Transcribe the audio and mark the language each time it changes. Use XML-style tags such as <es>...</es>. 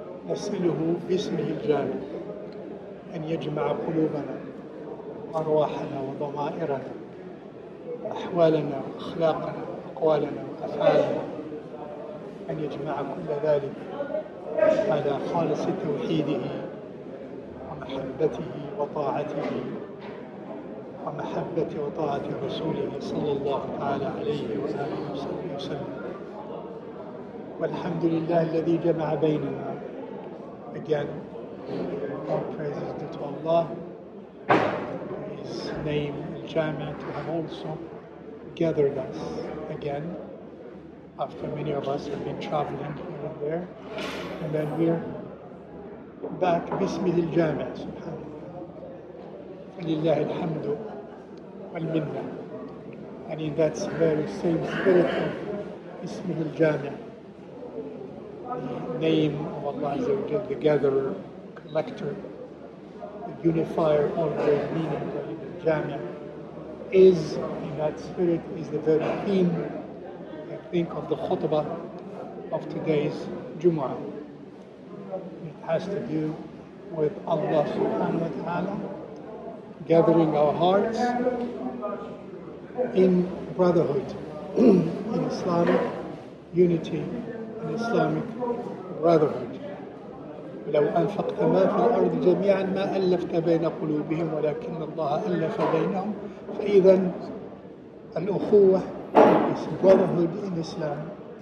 <ar>نسأله باسمه الجامع أن يجمع قلوبنا وأرواحنا وضمائرنا أحوالنا وأخلاقنا وأقوالنا وأفعالنا، أن يجمع كل ذلك على خالص توحيده ومحبته وطاعته ومحبة وطاعة رسوله صلى الله تعالى عليه وآله وسلم. والحمد لله الذي جمع بيننا.</ar> <en>Again, all praises due to Allah. His name, Al-Jami, to have also gathered us again after many of us have been traveling here and there. And then we're back. Bismillah Al-Jami, subhanAllah. Lillahi Alhamdu Al-Minnah. And in that very same spirit of Bismillah Al-Jami, the name of Allah Azza wa Jalla, the gatherer, collector, the unifier of the meaning of Jamia, is in that spirit, is the very theme, I think, of the khutbah of today's Jumu'ah. It has to do with Allah subhanahu wa ta'ala gathering our hearts in brotherhood, in Islamic unity, in Islamic brotherhood.</en> <ar>لو أنفقت ما في الأرض جميعا ما ألفت بين قلوبهم ولكن الله ألف بينهم. فإذا الأخوة</ar> <en>is brotherhood in Islam.</en>